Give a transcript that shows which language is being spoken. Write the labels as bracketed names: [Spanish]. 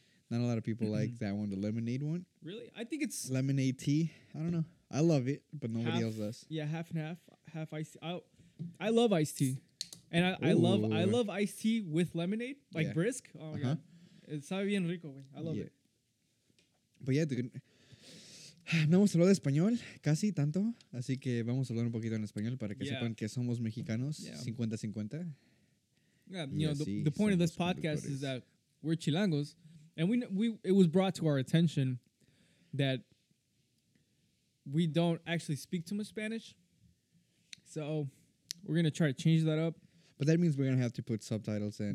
[English] Not a lot of people like that one, the lemonade one. Really? I think it's... Lemonade tea. I don't know. I love it, but nobody else does. Yeah, half and half. Half iced tea. I love iced tea. And I love iced tea with lemonade, like brisk. Oh my God. It's [Spanish] sabe bien rico, güey. [English] I love it. But yeah, [Spanish] no hemos hablado español casi tanto, así que vamos a hablar un poquito en español para que sepan que somos mexicanos, 50-50. [English] Yeah, you know, the point of this podcast is that we're chilangos, and we it was brought to our attention that we don't actually speak too much Spanish. So, we're going to try to change that up. But that means we're going to have to put subtitles in.